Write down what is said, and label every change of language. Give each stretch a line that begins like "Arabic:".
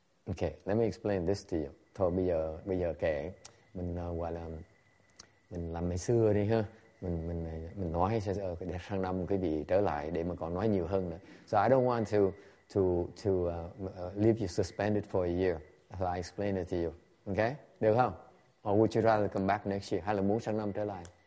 English: Okay, let me explain this to you.
Vietnamese: Thôi bây giờ kể mình gọi là mình làm ngày xưa đi ha. Mình nói sẽ sang năm quý vị trở lại để mà còn nói nhiều hơn nữa.
English: So I don't want to leave you suspended for a year. So I explain it to you. Okay?
Vietnamese: Được không?
English: Or would you rather come back next year?
Vietnamese: Hay là muốn sang năm trở lại?